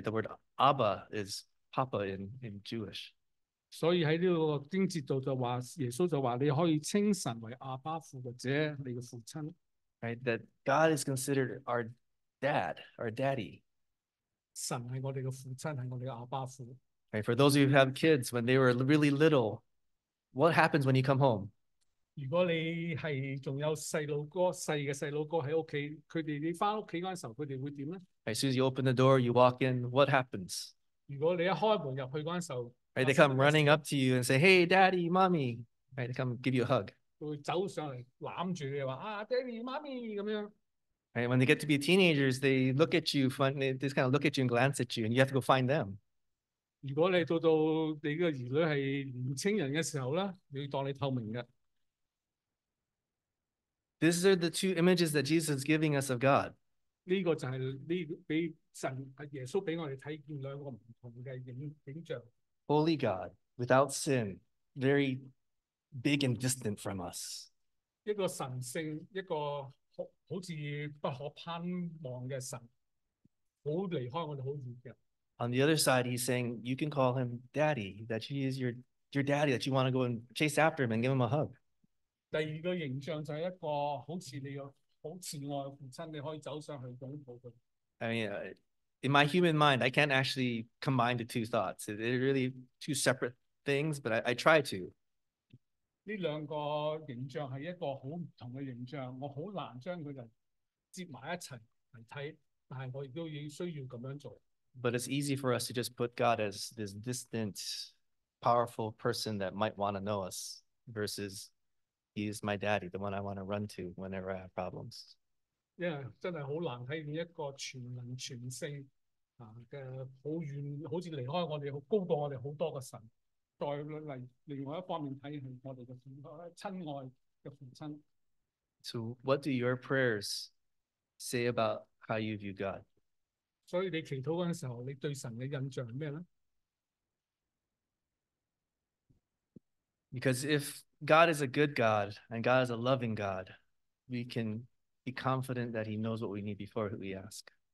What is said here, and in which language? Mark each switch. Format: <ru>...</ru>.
<en>The word Abba is Papa in Jewish.</en> <zh>所以在这个经节就说，耶稣就说，你可以称神为阿爸父或者你的父亲。</zh> <en>Right, that God is considered our dad, our daddy.</en> <zh>神是我们的父亲，是我们的阿爸父。</zh> <en>Right, for those of you who have kids, when they were really little, what happens when you come home?</en> <zh>如果你是还有小的在家，他们你回家的时候，他们会怎样</zh> <en>呢？ As soon as you open the door, you walk in, what happens?</en> <zh>如果你一开门进去的时候，</zh> <en>right, they come running up to you and say, hey, daddy, mommy. Right, they come give you a hug.</en> <zh>会走上来揽住你说，啊，</zh> <en>daddy, mommy,</en> <zh>这样。</zh> <en>Right, when they get to be teenagers, they look at you, they just kind of look at you and glance at you, and you have to go find them.</en> <zh>如果你到你的儿女是年轻人的时候，你要当你透明的。</zh> <en>These are the two images that Jesus is giving us of God.</en> <zh>这个就是给神，耶稣给我们看见两个不同的影像。</zh> <en>Holy God, without sin, very big and distant from us.</en> <zh>一个神圣，一个好似不可攀望的神，好离开我们好远的。</zh> <en>On the other side, he's saying, you can call him daddy, that he is your daddy, that you want to go and chase after him and give him a hug.</en> <zh>第二个形象就是一个好似你好慈爱的父亲，你可以走上去拥抱他。</zh> <en>I mean, in my human mind, I can't actually combine the two thoughts. They're really two separate things, but I try to.</en> <zh>这两个形象是一个很不同的形象，我很难将它们接在一起来看，但是我也需要这样做。</zh> <en>But it's easy for us to just put God as this distant powerful person that might want to know us versus he is my daddy, the one I want to run to whenever I have problems.</en> <zh>Yeah, 真的很难体验一个全能全性, 啊, 的, 很远, 好像离开我们, 高过我们很多的神, 再, 来, 另外一方面体验我们的亲爱的父亲。</zh> <en>So what do your prayers say about how you view God?</en> <zh>所以你祈祷的时候, 你对神的印象是什么呢?</zh> <en>Because if God is a good God and God is a loving God, we can be confident that He knows what we need before we ask.</en>